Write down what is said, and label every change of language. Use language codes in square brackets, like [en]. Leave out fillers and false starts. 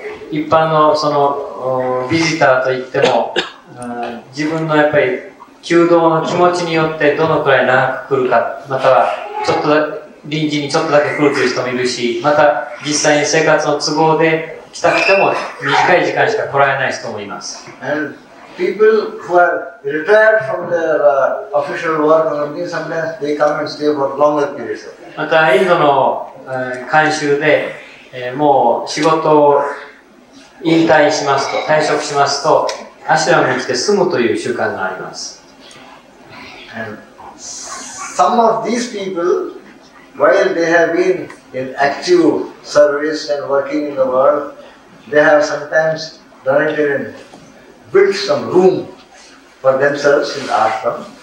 [ja] 一般のそのビジターといっても、自分のやっぱり求道の気持ちによってどのくらい長く来るか、またはちょっとだ臨時にちょっとだけ来るという人もいるし、また実際に生活の都合で来たくても短い時間しか来られない人もいます。 [en] And people who are retired from their official work or something, sometimes they come and stay for longer periods. [ja] またインドの慣習で、もう仕事を引退しますと、退職しますと、アシュラムに来て住むという習慣があります。 [en] And some of these people, while they have been in active service and working in the world, they have sometimes donated and built some room for themselves in the ashram.